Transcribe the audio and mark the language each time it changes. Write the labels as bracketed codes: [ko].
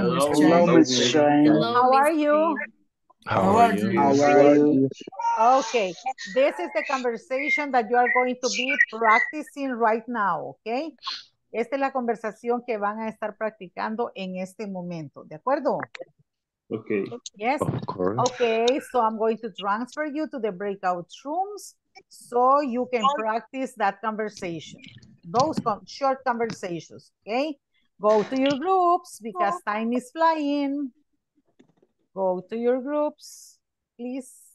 [en] Good evening, Mrs. Morgan. I'm okay. Thank you. Hello, Miss Chen. How are you? How are you? Okay, this is the conversation that you are going to be practicing right now, okay? [es] Esta es la conversación que van a estar practicando en este momento, ¿de acuerdo? [en] Okay. Yes? Of course. Okay, so I'm going to transfer you to the breakout rooms so you can practice that conversation, those short conversations, okay? Go to your groups because time is flying. Go to your groups, please.